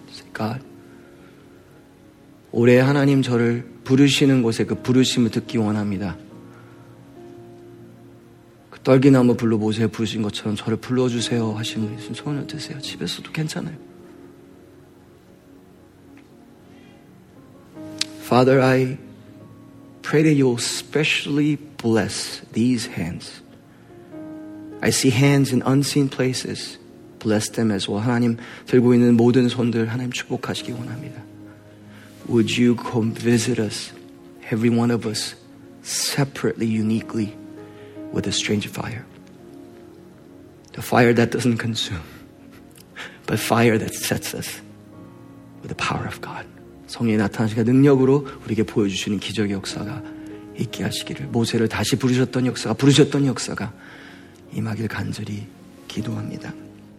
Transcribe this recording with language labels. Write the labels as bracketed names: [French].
[English] Say, God, [Korean] 올해 하나님 저를 부르시는 곳에 그 부르심을 듣기 원합니다. 떨기나무 불러보세요. 부르신 것처럼 저를 불러주세요 하신 분 있으면 손을 드세요. 집에서도 괜찮아요. [English] Father, I pray that you'll specially bless these hands. I see hands in unseen places bless them as well. [Korean] 하나님 들고 있는 모든 손들 하나님 축복하시기 원합니다. [English] Would you come visit us, every one of us, separately, uniquely, with a strange fire? The fire that doesn't consume, but fire that sets us with the power of God. [Korean] 성령이 나타나시니까 능력으로 우리에게 보여주시는 기적의 역사가 있게 하시기를 모세를 다시 부르셨던 역사가 임하길 간절히 기도합니다.